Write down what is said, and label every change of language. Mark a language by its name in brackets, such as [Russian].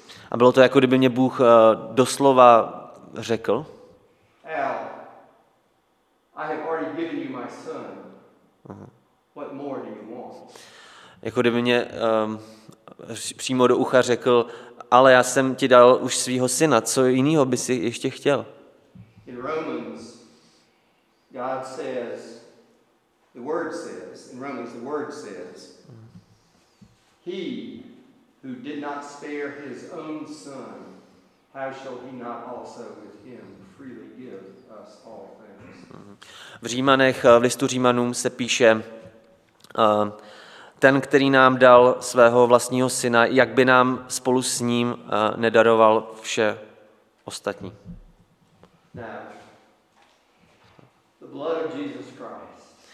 [Czech] A bylo to, jako kdyby mě Bůh doslova řekl. [English] Al, I have already given you my son. What more do you want? [Czech] Jako kdyby mě přímo do ucha řekl, ale já jsem ti dal už svýho syna, co jiného by si ještě chtěl? [English] In Romans, God says, the word says, in Romans, the word says, he who did not spare his own son, how shall he not also with him freely give us all things? [Czech] V Římanech, v listu Římanům se píše, ten, který nám dal svého vlastního syna, jak by nám spolu s ním nedaroval vše ostatní. [English] Now, the blood of Jesus Christ.